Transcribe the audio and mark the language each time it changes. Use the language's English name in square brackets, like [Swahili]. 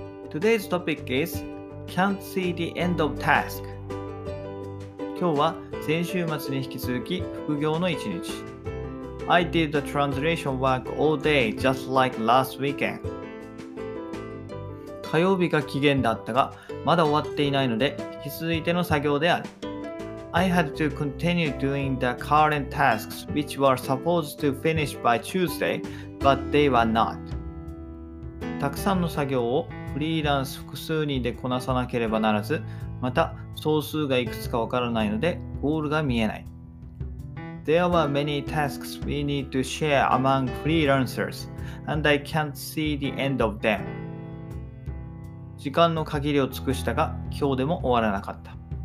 [English] Today's topic is Can't see the end of task. [Japanese] 今日は先週末に引き続き副業の一日。 [English] I did the translation work all day just like last weekend. [Japanese] 火曜日が期限だったが、まだ終わっていないので引き続いての作業である。 [English] I had to continue doing the current tasks which were supposed to finish by Tuesday, but they were not. [Japanese] たくさんの作業をフリーランス複数人でこなさなければならず、また総数がいくつかわからないのでゴールが見えない。 [English] There were many tasks we need to share among freelancers, and I can't see the end of them. [Japanese] 時間の限りを尽くしたが、今日でも終わらなかった。